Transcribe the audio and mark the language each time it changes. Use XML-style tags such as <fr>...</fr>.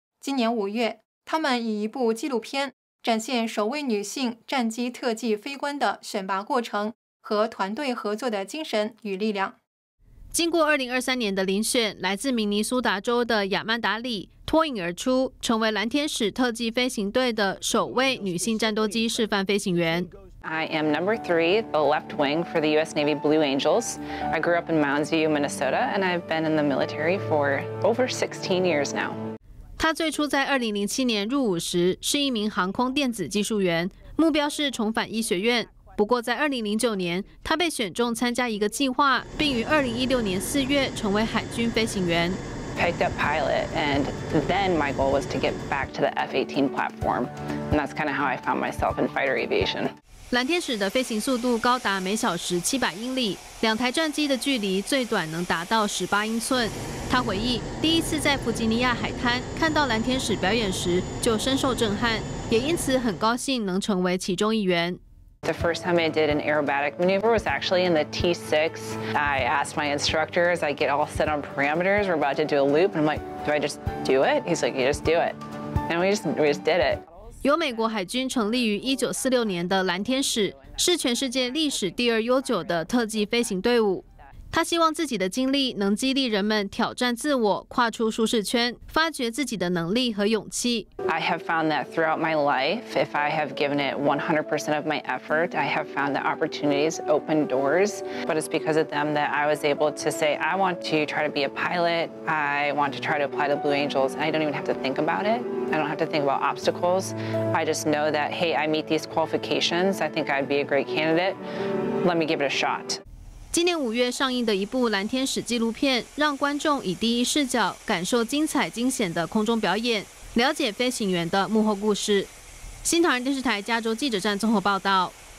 <zh>今年5月，他们以一部纪录片展现首位女性战机特技飞官的选拔过程和团队合作的精神与力量。经过2023年的遴选，来自明尼苏达州的亚曼达里脱颖而出，成为蓝天使特技飞行队的首位女性战斗机示范飞行员。</zh> <en>I am number 3, the left wing for the US Navy Blue Angels. I grew up in Moundsview, Minnesota, and I've been in the military for over 16 years now.</en> <zh>她最初在2007年入伍时是一名航空电子技术员，目标是重返医学院。不过在2009年，他被选中参加一个计划，并于2016年4月成为海军飞行员。</zh> <en>Picked up pilot, and then my goal was to get back to the F-18 platform, and that's kind of how I found myself in fighter aviation.</en> <zh>蓝天使的飞行速度高达每小时700英里，两台战机的距离最短能达到18英寸。他回忆，第一次在弗吉尼亚海滩看到蓝天使表演时就深受震撼，也因此很高兴能成为其中一员。</zh> <en>The first time I did an aerobatic maneuver was actually in the T6. I asked my instructor as I get all set on parameters, we're about to do a loop, and I'm like, do I just do it? He's like, you just do it. And we just did it.</en> <zh>由美国海军成立于1946年的蓝天使，是全世界历史第二悠久的特技飞行队伍。他希望自己的经历能激励人们挑战自我，跨出舒适圈，发掘自己的能力和勇气。</zh> <en>I have found that throughout my life, if I have given it 100% of my effort, I have found the opportunities open doors. But it's because of them that I was able to say, I want to try to be a pilot. I want to try to apply to Blue Angels. I don't even have to think about it. I don't have to think about obstacles. I just know that, hey, I meet these qualifications. I think I'd be a great candidate. Let me give it a shot.</en> <zh>今年5月上映的一部《蓝天使》纪录片，让观众以第一视角感受精彩惊险的空中表演，了解飞行员的幕后故事。新唐人电视台加州记者站综合报道。</zh>